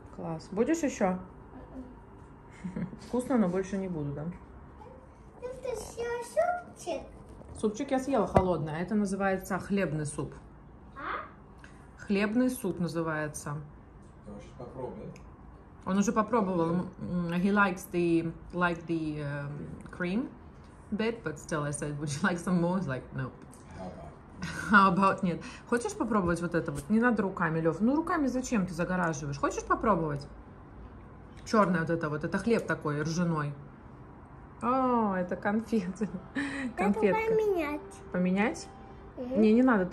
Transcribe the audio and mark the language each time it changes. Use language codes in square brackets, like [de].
[ru] Класс. Будешь еще? Вкусно, но больше не буду, да? Это все супчик. Супчик я съела холодный, а это называется хлебный суп. А? Хлебный суп называется. Сейчас попробуй. Он уже попробовал. [en] He likes the like the cream bit, but still I said, would you like some more? He's like, nope. About, [ru] нет. Хочешь попробовать вот это вот? Не надо руками, Лев. Ну руками зачем ты загораживаешь? Хочешь попробовать? Черное вот это вот. Это хлеб такой ржаной. О, это конфеты. Конфетка. Это поменять. Поменять? Mm-hmm. Не, не надо.